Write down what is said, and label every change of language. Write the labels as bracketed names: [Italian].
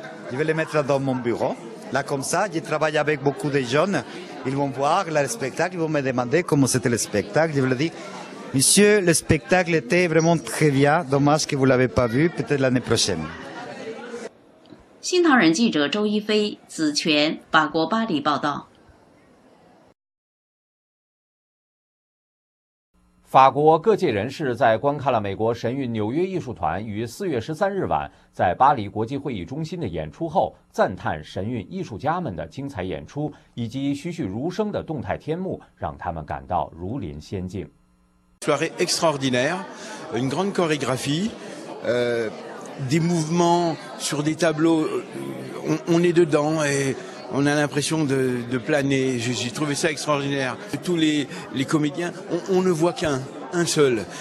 [French] Je vais le mettre dans mon bureau. Là, comme ça, je travaille avec beaucoup de jeunes. Ils vont voir le spectacle, ils vont me demander comment c'était le spectacle. Je vous le dis. Monsieur, le spectacle était vraiment très bien. Dommage que vous l'avez pas vu. Peut-être l'année prochaine. [Chinese] 新唐人记者周一飞、子权，法国巴黎报道。法国各界人士在观看了美国神韵纽约艺术团于4月13日晚在巴黎国际会议中心的演出后，赞叹神韵艺术家们的精彩演出以及栩栩如生的动态天幕，让他们感到如临仙境。 [French] Soirée extraordinaire, une grande chorégraphie, des mouvements sur des tableaux, on est dedans et on a l'impression de planer. J'ai trouvé ça extraordinaire. Tous les comédiens, on ne voit qu'un seul.